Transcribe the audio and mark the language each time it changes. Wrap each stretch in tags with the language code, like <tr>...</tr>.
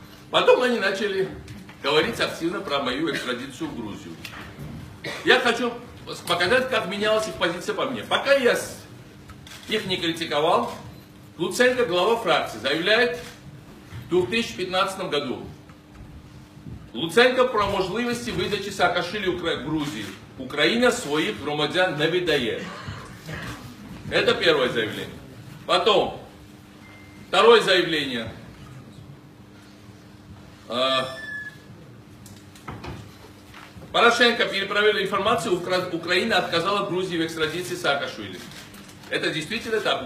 <ru>Потом они начали говорить активно про мою экстрадицию в Грузию. Я хочу показать, как менялась их позиция по мне. Пока я их не критиковал, Луценко, глава фракции, заявляет в 2015 году,</ru> <uk>Луценко про можливості видачі Саакашвілі Грузії. Україна своїх громадян не віддає.</uk> <ru>Это первое заявление. Потом, второе заявление. Порошенко перепроверил информацию, Украина отказала Грузии в экстрадиции Саакашвили. Это действительно так.</ru>